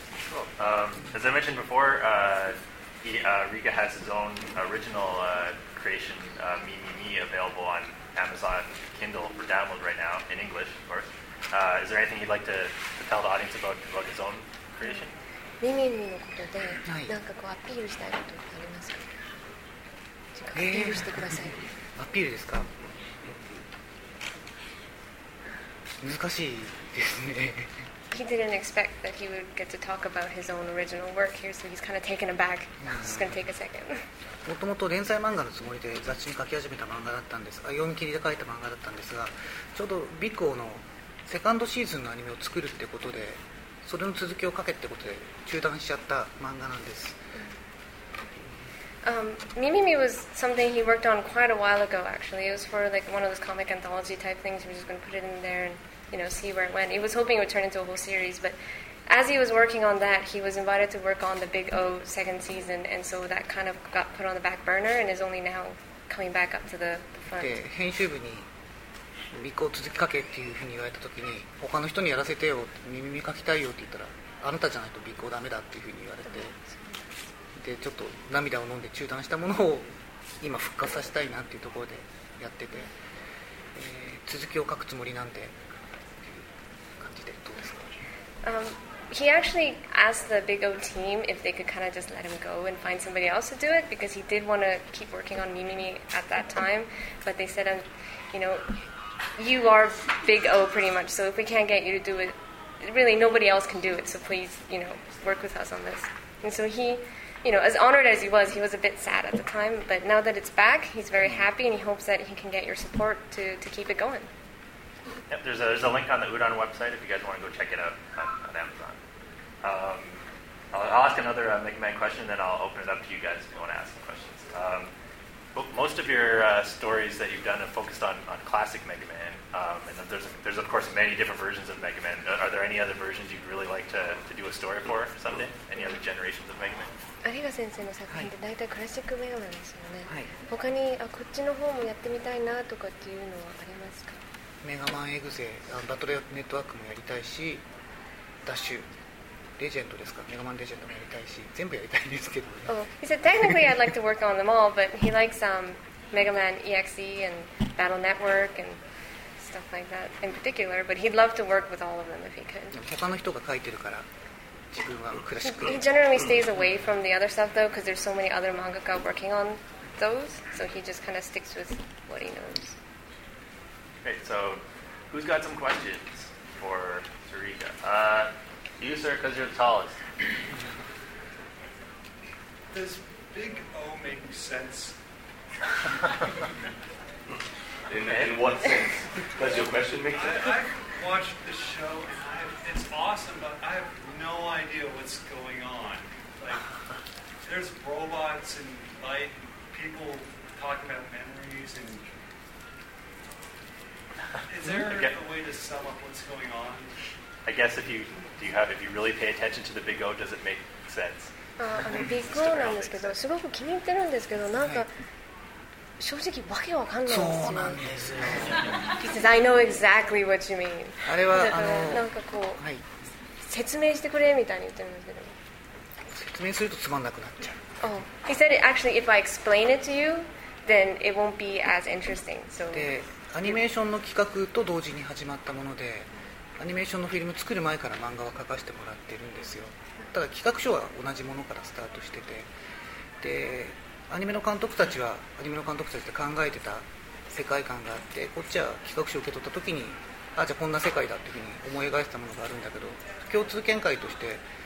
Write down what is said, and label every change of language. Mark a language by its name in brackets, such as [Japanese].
[English] Cool. As I mentioned before, Riga has his own original creation, Me, available on Amazon Kindle for download right now, in English, of course. Is there anything you'd like to tell the audience about his own creation? [Japanese] Me, のことで、なんかこうアピールしたいことありますか?アピールしてください。アピールですか? 難しいですね。 [English] He didn't expect that he would get to talk about his own original work here, so he's kind of taken aback. Just gonna take a second. [Japanese] もともと連載漫画のつもりで雑誌に書き始めた漫画だったんです。あ、読み切りで書いた漫画だったんですが、ちょうどビッグオーのセカンドシーズンのアニメを作るってことで、それの続きを書けってことで中断しちゃった漫画なんです。 [English] Mimimi was something he worked on quite a while ago actually. It was for like one of those comic anthology type things. He was just going to put it in there and you know, see where it went. He was hoping it would turn into a whole series, but as he was working on that, he was invited to work on the Big O second season and so that kind of got put on the back burner and is only now coming back up to the front. [Japanese] で、編集部に美子を続き書けっていうふうに言われた時に他の人にやらせてよ、Mimimi書きたいよって言ったらあなたじゃないと美子ダメだっていうふうに言われてでちょっと涙を飲んで中断したものを今復活させたいなっていうところでやってて、続きを書くつもりなんてっていう感じでどうですか [English] He actually asked the Big O team if they could kind of just let him go and find somebody else to do it because he did want to keep working on Mimimi at that time but they said, you know, you are Big O pretty much so if we can't get you to do it really nobody else can do it so please, you know, work with us on this and so heYou know, as honored as he was a bit sad at the time, but now that it's back, he's very happy and he hopes that he can get your support to keep it going. Yep, there's a link on the Udon website if you guys want to go check it out on Amazon. I'll ask another Megaman question, then I'll open it up to you guys if you want to ask some questions. Most of your stories that you've done have focused on classic Mega Man, and there's of course many different versions of Mega Man. Are there any other versions you'd really like to do a story for someday? Any other generations of Mega Man? [Japanese] 有賀先生の作品って大体クラシックメガマンですよね、はい、他にあこっちの方もやってみたいなとかっていうのはありますかメガマンエグゼバトルネットワークもやりたいしダッシュレジェンドですかメガマンレジェンドもやりたいし全部やりたいんですけど、ね [English] oh, He said technically I'd like to work on them all but he likes Mega Man EXE and Battle Network and stuff like that in particular but he'd love to work with all of them if he could [Japanese] 他の人が書いてるから [English] He generally stays away from the other stuff though because there's so many other mangaka working on those so he just kind of sticks with what he knows. Great, so who's got some questions for Sarika? You sir, because you're the tallest. Does Big O make sense? in what sense? Does your question make sense? I've watched the show and it's awesome but I haveno idea what's going on. Like, there's robots and light, and people talking about memories and Is there a way to sum up what's going on? I guess if you really pay attention to the big O, does it make sense? [Japanese] Big O なんですけど、すごく気に入ってるんですけど、なんか正直わけわかんないんですよ。そうなんですよ。 [English] He says, I know exactly what you mean. [Japanese] あれはなんかこう、はい、説明してくれみたいに言ってるんですけど。説明するとつまんなくなっちゃう。 [English] Oh, he said it actually. If I explain it to you, then it won't be as interesting. So, [Japanese] で、アニメーションの企画と同時に始まったもので、アニメーションのフィルム作る前から漫画は描かせてもらってるんですよ。ただ企画書は同じものからスタートしてて、で、アニメの監督たちはアニメの監督たちで考えてた世界観があって、こっちは企画書を受け取った時に、あ、じゃあこんな世界だっていうふうに思い描いてたものがあるんだけど、共通見解として。